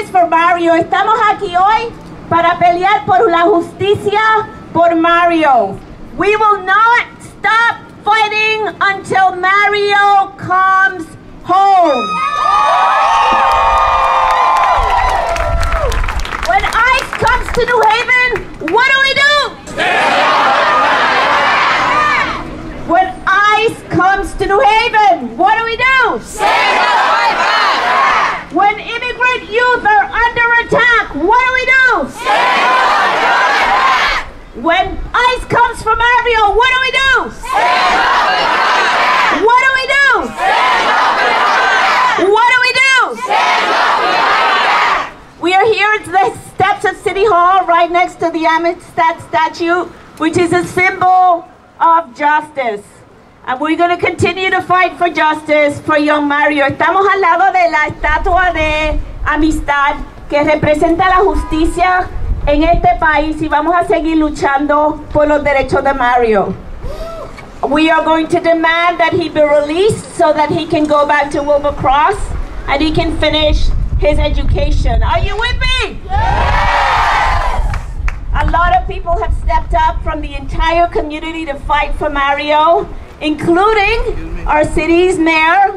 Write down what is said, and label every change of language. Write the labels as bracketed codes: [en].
[es] Mario, estamos aquí hoy para pelear por la justicia por Mario. [en] We will not stop fighting until Mario comes home. When ICE comes to New Haven, what do we do? When ICE comes to New Haven, what do we do? When immigrant youth are under attack, what do we do? When ICE comes for Mario, what do we do? What do we do? What do we do? We are here at the steps of City Hall, right next to the Amistad statue, which is a symbol of justice. And we're going to continue to fight for justice for young Mario. [es] Estamos al lado de la estatua de amistad que representa la justicia en este país y vamos a seguir luchando por los derechos de Mario. [en] We are going to demand that he be released so that he can go back to Wilbur Cross and he can finish his education. Are you with me? Yes! A lot of people have stepped up from the entire community to fight for Mario, including our city's mayor.